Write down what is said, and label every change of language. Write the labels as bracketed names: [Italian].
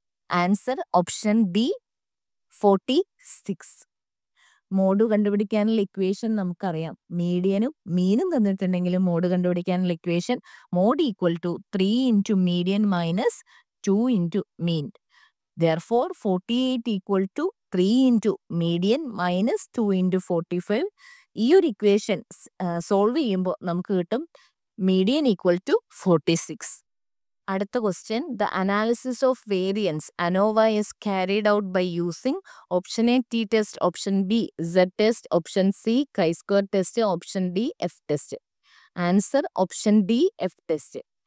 [English] Answer option B 46. [Malayalam] Mode കണ്ടുപിടിക്കാനുള്ള equation നമുക്കറിയാം. മീഡിയനും മീനും തന്നിട്ടുണ്ടെങ്കിലും മോഡ് കണ്ടുപിടിക്കാനുള്ള equation, [English] Mode equal to 3 into median minus 2 into mean. Therefore 48 equal to 3 into median minus 2 into 45. [Malayalam] ഈ ഒരു equation solve ചെയ്യുമ്പോൾ നമുക്ക് കിട്ടും മീഡിയൻ ഈക്വൽ ടു 46. അടുത്ത question, [English] The analysis of variance ANOVA is carried out by using option A T test, option B Z test, option C chi square test, option D F test. Answer option D F test.